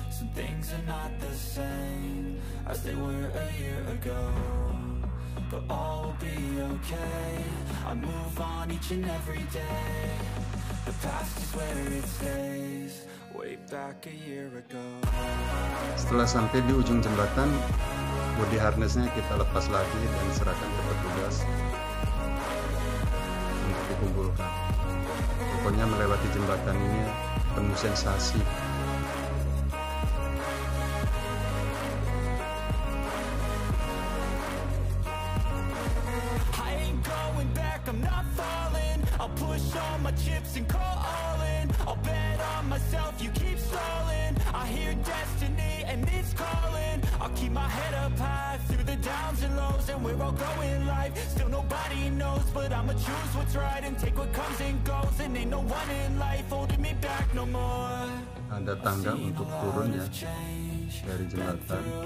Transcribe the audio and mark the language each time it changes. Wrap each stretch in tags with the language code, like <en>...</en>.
<en>Some things are not the same as they were a year ago, but all will be okay. I move on each and every day. The past is where it stays, way back a year ago.</en> <id>Setelah sampai di ujung jembatan, body harnessnya kita lepas lagi dan serahkan ke petugas untuk dikumpulkan. Pokoknya melewati jembatan ini penuh sensasi.</id> <en>I'ma choose what's right and take what comes and goes, and ain't no one in life holding me back no more.</en> <id>Ada tangga untuk turun ya dari jembatan.</id>